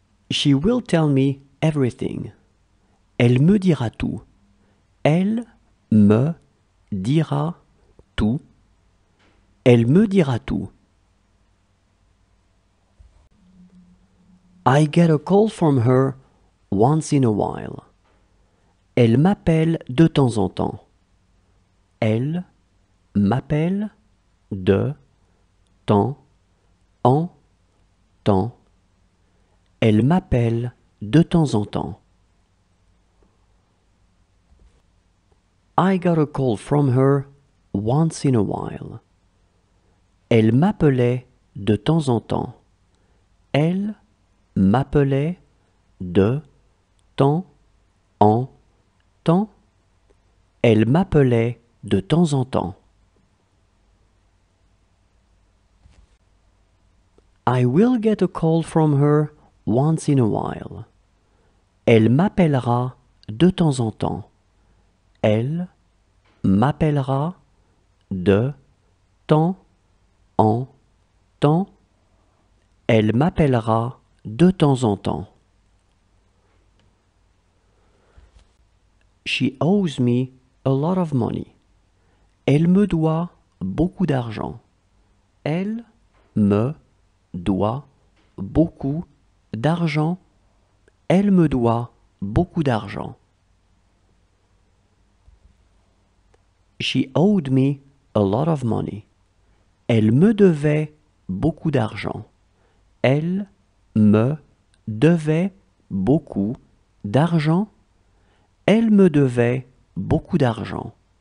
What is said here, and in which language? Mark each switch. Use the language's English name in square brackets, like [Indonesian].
[English] She will tell me everything. [French] Elle me dira tout. Elle me dira tout. Elle me dira tout. [English] I get a call from her once in a while. [French] Elle m'appelle de temps en temps. Elle m'appelle de temps en temps. Elle m'appelle de temps en temps. [English] I got a call from her once in a while. [French] Elle m'appelait de temps en temps. Elle m'appelait de temps en temps. Elle m'appelait de temps en temps. [English] I will get a call from her once in a while. [French] Elle m'appellera de temps en temps. Elle m'appellera de temps en temps. Elle m'appellera de temps en temps. [English] She owes me a lot of money. [French] Elle me doit beaucoup d'argent. Elle me doit beaucoup d'argent. Elle me doit beaucoup d'argent. [English] She owed me a lot of money. [French] Elle me devait beaucoup d'argent. Elle me devait beaucoup d'argent. Elle me devait beaucoup d'argent.